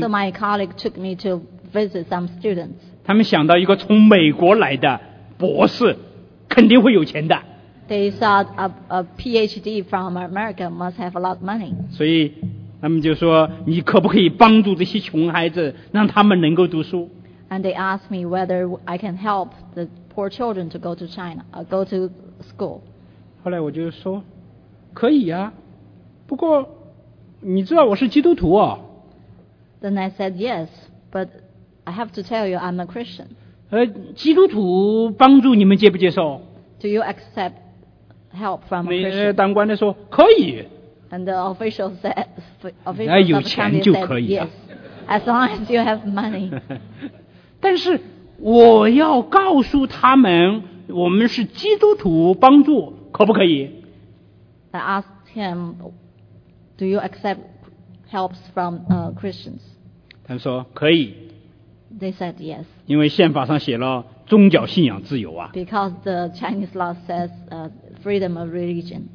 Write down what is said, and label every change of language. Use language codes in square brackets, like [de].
[en] So my colleague took me to visit some students. [zh] 他们想到一个从美国来的博士，肯定会有钱的。 [en] They thought a PhD from America must have a lot of money. [zh] 所以他们就说，你可不可以帮助这些穷孩子，让他们能够读书？ [en] And they asked me whether I can help the poor children to go to China, go to school. [zh] 后来我就说，可以呀。不过，你知道我是基督徒啊。 [en] Then I said yes, but I have to tell you I'm a Christian. [zh] 基督徒帮助你们接不接受？ [en] Do you accept help from a Christian? [zh] 当官的说可以。And [en] the official said, officials of Chinese said yes, as long as you have money. [zh] 但是我要告诉他们，我们是基督徒帮助，可不可以？ [en] I asked him. Do you accept helps from Christians? [zh] 他说可以。 [en] They said yes. [zh] 因为宪法上写了宗教信仰自由啊。 [en] Because the Chinese law says freedom of religion.